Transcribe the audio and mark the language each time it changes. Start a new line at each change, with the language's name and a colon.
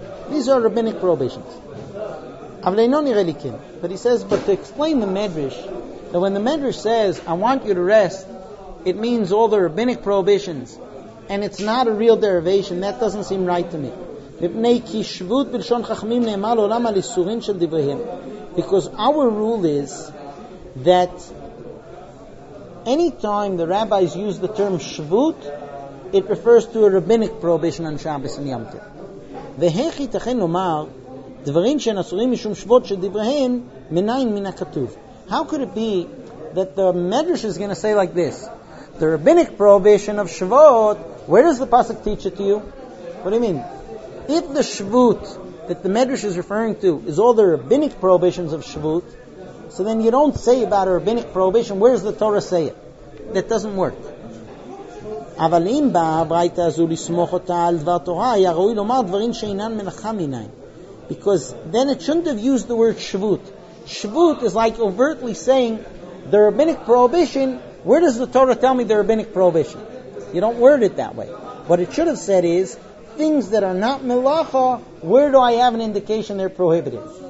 English: These are rabbinic prohibitions.
Hebrew: אבל אינו נראה לי כן.
English: But he says, but to explain the Medrash, that when the Medrash says, I want you to rest, it means all the rabbinic prohibitions, and it's not a real derivation, that doesn't seem right to me.
Hebrew: מפני כי שבות בלשון חכמים נאמר לעולם על איסורים של דבריהם.
English: Because our rule is that any time the rabbis use the term שבות, it refers to a rabbinic prohibition on Shabbos and Yom Tov.
Hebrew: והיך ייתכן לומר דברים שהן אסורים משום שבות שדבריהן מניין מן הכתוב.
English: How could it be that the Medrash is going to say like this? The rabbinic prohibition of Shavuot, where does the Pasuk teach it to you? What do you mean? If the Shavuot that the Medrash is referring to is all the rabbinic prohibitions of Shavuot, so then you don't say about a rabbinic prohibition, where does the Torah say it? That doesn't work.
Hebrew: אבל אם באה הבריתה הזו לסמוך אותה על דבר תורה, היה ראוי לומר דברים שאינן מלאכה מניין.
English: Because then it shouldn't have used the word Shavuot. Shavuot is like overtly saying the rabbinic prohibition. Where does the Torah tell me the rabbinic prohibition? You don't word it that way. What it should have said is, things that are not melacha, where do I have an indication they're prohibited?